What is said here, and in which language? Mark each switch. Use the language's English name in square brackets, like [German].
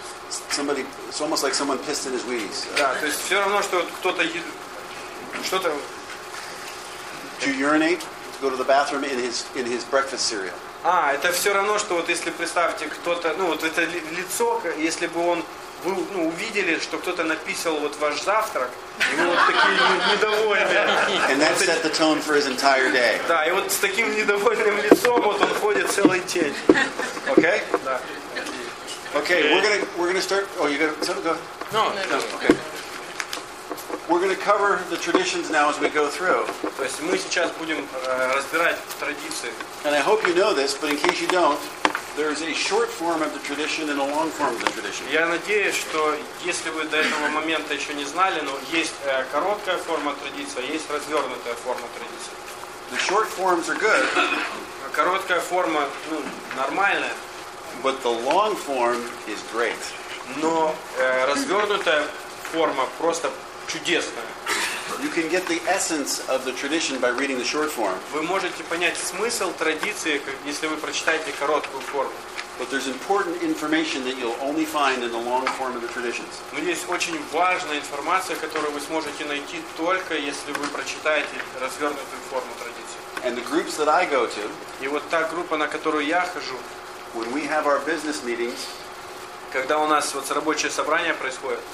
[English] Somebody, it's almost like someone pissed in his Wheaties. [Russian] Да, то есть все равно, что кто-то что-то. [English] To urinate, to go to the bathroom in his breakfast cereal. [Russian] Это все равно, что вот если представьте, кто-то, ну вот это лицо, если бы он вы ну, увидели, что кто-то написал вот ваш завтрак, и вы вот такие недовольные. [English] And that set the tone for his entire day. [Russian] Да, и вот с таким недовольным лицом вот он ходит целый день. [English] Okay? [Russian] Да. [English] Okay, we're gonna start. Oh, you gotta go. No. Okay. We're going to cover the traditions now as we go through. [Russian] То есть мы сейчас будем разбирать традиции. [English] And I hope you know this, but in case you don't, there is a short form of the tradition and a long form of the tradition. [Russian] Я надеюсь, что если вы до этого момента еще не знали, но есть короткая форма традиции, есть развернутая форма традиции. [English] The short forms are good. [Russian] Короткая форма ну, нормальная. [English] But the long form is great. [Russian] Но развернутая форма просто чудесно. [English] You can get the essence of the tradition by reading the short form. [Russian] Вы можете понять смысл традиции, если вы прочитаете короткую форму. [English] But there's important information that you'll only find in the long form of the traditions. [Russian] Но есть очень важная информация, которую вы сможете найти только если вы прочитаете развернутую форму традиции. [English] And the groups that I go to. [Russian] И вот та группа, на которую я хожу. [English] When we have our business meetings. [Russian] когда у нас вот рабочее собрание происходит,